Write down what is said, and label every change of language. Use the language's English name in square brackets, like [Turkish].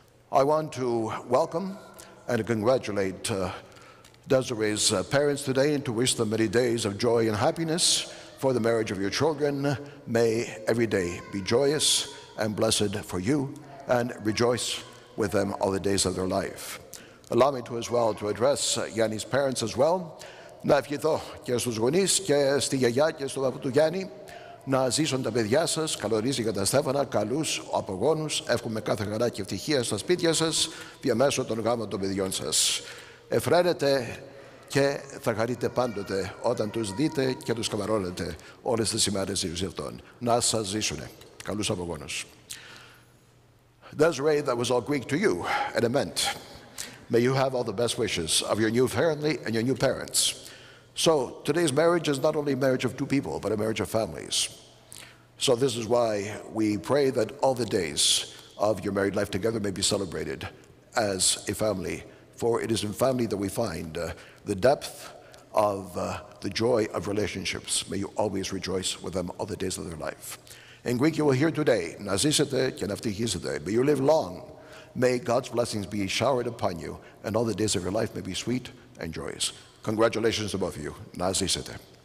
[English] I want to welcome and congratulate Desiree's parents today, and to wish them many days of joy and happiness for the marriage of your children. May every day be joyous and blessed for you, and rejoice with them all the days of their life. Allow me to as well to address Yanni's parents as well. [Greek] Να ευχηθώ και στους γονείς και στη γιαγιά και στον παππού του Γιάννη να ζήσουν τα παιδιά σας, καλωρίζει για τα Στέφανα, καλούς απογόνους, εύχομαι κάθε χαρά και ευτυχία στα σπίτια σας, διαμέσου των γάμων των παιδιών σας. Εφραίνετε και θα χαρείτε πάντοτε όταν τους δείτε και τους καμαρώνετε όλες τις ημέρες ζωής αυτών. Να σας ζήσουνε. Καλούς απογόνους. [English] Desiree, that was all Greek to you, and it meant, may you have all the best wishes of your new family and your new parents. So today's marriage is not only a marriage of two people, but a marriage of families. So this is why we pray that all the days of your married life together may be celebrated as a family, for it is in family that we find the depth of the joy of relationships. May you always rejoice with them all the days of their life. In Greek, you will hear today, [Greek] να ζήσετε και να ευτυχίσετε. [English] May you live long. May God's blessings be showered upon you, and all the days of your life may be sweet and joyous. Congratulations to both of you. [Greek] Να ζήσετε.